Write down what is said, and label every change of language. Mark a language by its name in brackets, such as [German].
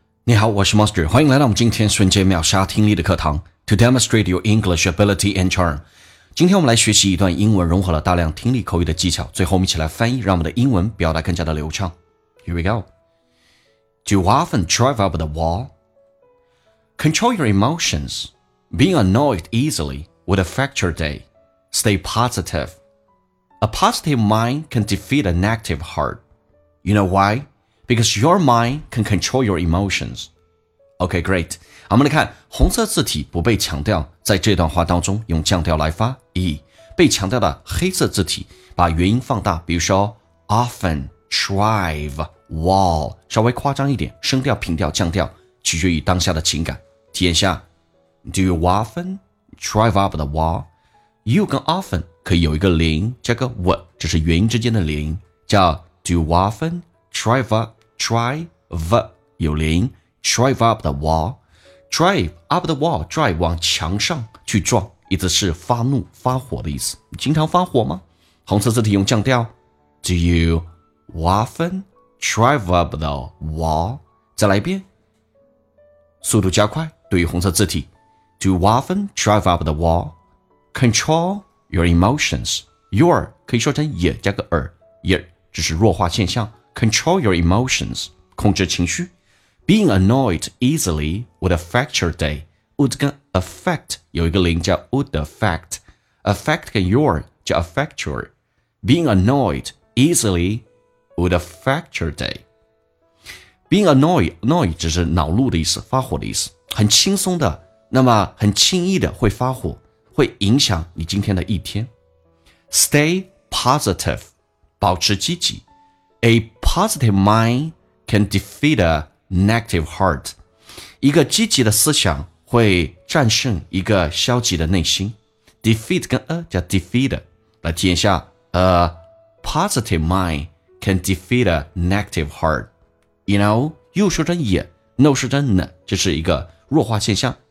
[Chinese] 你好，我是 Monster， 欢迎来到我们今天瞬间秒杀听力的课堂 [English] To demonstrate your English ability and charm。 [Chinese] 今天我们来学习一段英文，融合了大量听力口语的技巧，最后我们一起来翻译，让我们的英文表达更加的流畅。 [English] Here we go. Do you often drive up the wall? Control your emotions. Being annoyed easily would affect your day. Stay positive. A positive mind can defeat an active heart. You know why? Because your mind can control your emotions. Okay, great. [Chinese] 我们来看红色字体不被强调，在这段话当中用降调来发。 E, 被强调的黑色字体把元音放大，比如说 often drive wall, 稍微夸张一点，声调、平调、降调，取决于当下的情感。体验下 [English] Do you often drive up the wall? [Chinese] You 跟 often 可以有一个连音，加个 w, 这是元音之间的连音，叫 [English] Do you often? [Chinese] Drive up, 有连音 [English] drive up the wall, drive up the wall, [Chinese] drive 往墙上去撞，意思是发怒发火的意思。你经常发火吗？红色字体用降调 [English] Do you often drive up the wall? [Chinese] 再来一遍，速度加快，对于红色字体 [English] Do you often drive up the wall? Control your emotions. [Chinese] Your 可以说成也加个耳，也只是弱化现象。 [English] Control your emotions, [Chinese] 控制情绪。 [English] Being annoyed easily would affect your day. [Chinese] Would 跟 affect 有一个零叫 [English] would affect. Affect 跟 your 叫 affect your. Being annoyed easily would affect your day. [Chinese] Being annoyed, annoyed 只是恼怒的意思，发火的意思。很轻松的，那么很轻易的会发火，会影响你今天的一天。 [English] Stay positive, [Chinese] 保持积极。 [English] A positive mind can defeat a negative heart. [Chinese] 一个积极的思想会战胜一个消极的内心。 Defeat 跟叫 defeat 来体验一下。 [English] A positive mind can defeat a negative heart. [Chinese] You know, 又说成也 ，no 说成 n， 这是一个弱化现象。